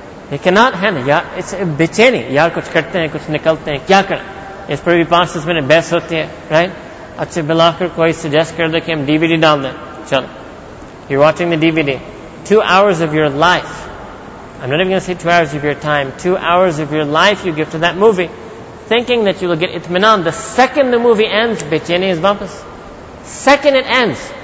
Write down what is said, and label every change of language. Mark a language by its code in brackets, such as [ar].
[en] They cannot handle it. It's a bechaini. [ur] یار کچھ کرتے ہیں، کچھ نکالتے ہیں، کیا کریں؟ اس پر بھی 5-10 منٹ بحث ہوتی ہے، right? اچھے بلاکر کوئی سجیسٹ کر دے کہ ہم ڈی وی ڈی ڈال دیں۔ [en] Chalo. You're watching the DVD. 2 hours of your life. I'm not even going to say 2 hours of your time. 2 hours of your life you give to that movie. Thinking that you will get itminan, the second the movie ends, bechaini is wapas. Second it ends.